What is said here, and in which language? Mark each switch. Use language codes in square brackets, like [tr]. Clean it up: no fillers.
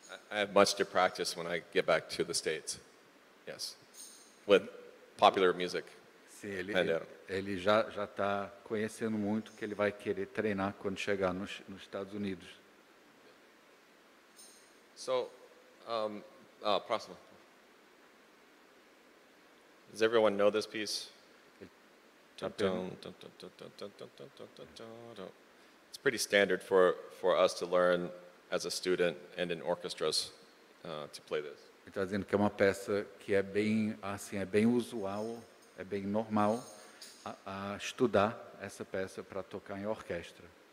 [en] I have much to practice when I get back to the States. Yes. With popular music. [pt] Sim, ele já está conhecendo muito que ele vai querer treinar quando chegar nos Estados Unidos. So, próximo. [en] Does everyone know this piece? It's pretty standard for us to learn as a student and in orchestras to play this. [pt] Ele está dizendo que é uma peça que é bem assim, é bem usual, é bem normal a estudar essa peça para tocar em orquestra.